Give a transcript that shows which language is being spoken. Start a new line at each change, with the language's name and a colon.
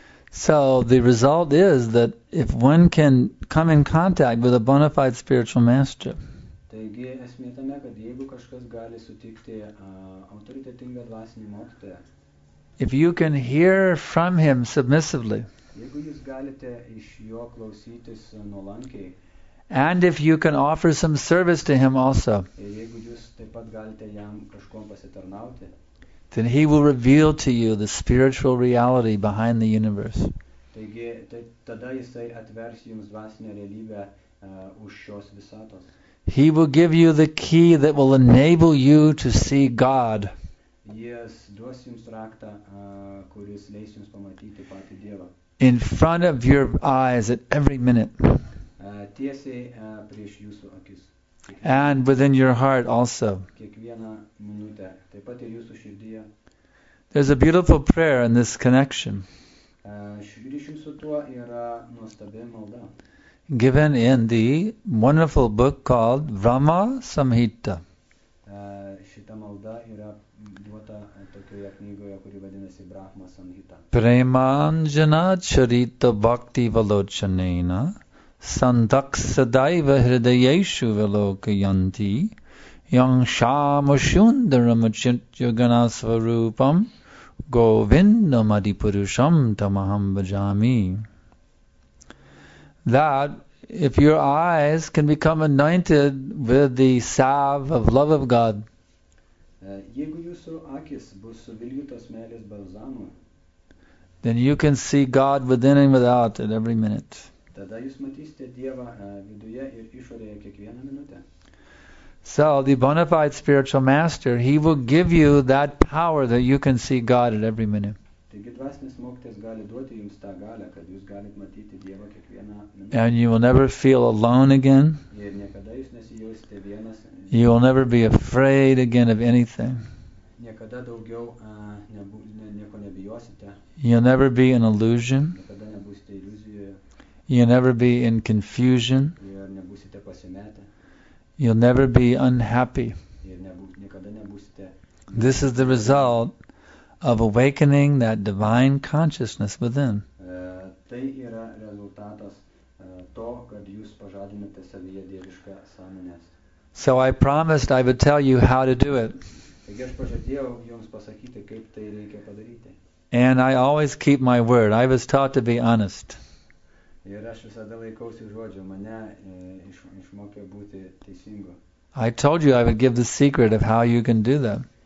English: So the result is that if one can come in contact with a bona fide spiritual master,
Lithuanian: taigi, esmė tame, kad jeigu kažkas gali sutikti, autoritetingą dvasinį mokytoją,
English: if you can hear from him submissively,
Lithuanian: jeigu jūs galite iš jo klausytis nuolankiai,
English: and if you can offer some service to him also,
Lithuanian: ir jeigu jūs taip pat galite jam kažkom pasitarnauti,
English: then he will reveal to you the spiritual reality behind the universe.
Lithuanian: Taigi, tada jisai atvers jums dvasinę realybę už šios visatos.
English: He will give you the key that will enable you to see God.
Lithuanian: Jis duos jums raktą, kuris leis jums pamatyti patį Dievą.
English: In front of your eyes at every minute.
Lithuanian: Tiesiai prieš jūsų akis.
English: And within your heart also.
Lithuanian: Kiekvieną minutę, taip pat ir jūsų širdyje.
English: There's a beautiful prayer in this connection.
Lithuanian: Ryšium su tuo yra nuostabi malda.
English: Given in the wonderful book called Brahma Samhita.
Lithuanian: Šita malda yra duota tokioje knygoje, kuri vadinasi Brahma Samhita.
Sanskrit: Premanjana charita bhakti valochanena. Sandaksadaiva hridayeshu velokayanti yang shamushundaramachit yoganasvarupam govindamadipurusham tamaham bhajami.
English: That if your eyes can become anointed with the salve of love of God,
Lithuanian: jeigu jūsų akis bus suvilgytos meilės balzamu,
English: then you can see God within and without at every minute.
Lithuanian: Tada jūs matysite Dievą viduje ir išorėje kiekvieną minutę.
English: So, the bona fide spiritual master, he will give you that power that you can see God at every minute.
Lithuanian: Taigi, dvasinis mokytas gali duoti jums tą galę, kad jūs galite matyti Dievą kiekvieną minutę.
English: And you will never feel alone again.
Lithuanian: Ir niekada jūs nesijausite vienas.
English: You will never be afraid again of anything.
Lithuanian: Niekada daugiau nieko nebijosite.
English: You'll never be an illusion.
Lithuanian: Niekada nebūsite iliuzijoje.
English: You'll never be in confusion.
Lithuanian: Ir nebūsite pasimetę.
English: You'll never be unhappy.
Lithuanian: Ir niekada nebūsite.
English: This is the result of awakening that divine consciousness within.
Lithuanian: Tai yra rezultatas to, kad jūs pažadinate savyje dievišką sąmonę.
English: So I promised I would tell you how to do it.
Lithuanian: Taigi aš pažadėjau jums pasakyti, kaip tai reikia padaryti.
English: And I always keep my word. I was taught to be honest.
Lithuanian: Ir aš visada laikausi žodžio, mane išmokė būti teisingu.
English: I told you I would give the secret of how you can do that.